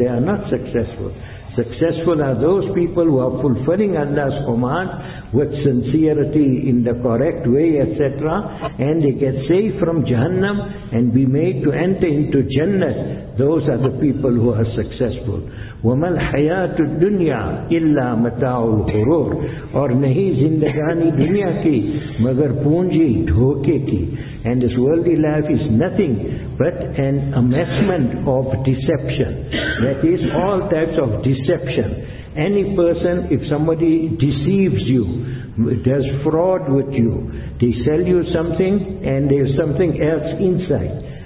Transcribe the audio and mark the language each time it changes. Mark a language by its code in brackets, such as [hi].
[en] They are not successful. Successful are those people who are fulfilling Allah's command with sincerity in the correct way, etc. And they get saved from Jahannam and be made to enter into Jannah. Those are the people who are successful. [ar] وَمَا الْحَيَاةُ الدُّنْيَا إِلَّا مَتَاعُ الْغُرُورِ [ur] اور نہیں زندگانی دنیا کی مگر پونجی دھوکے کی. [en] And this worldly life is nothing but an amassment of deception. That is all types of deception. Any person, if somebody deceives you, does fraud with you, they sell you something and there's something else inside.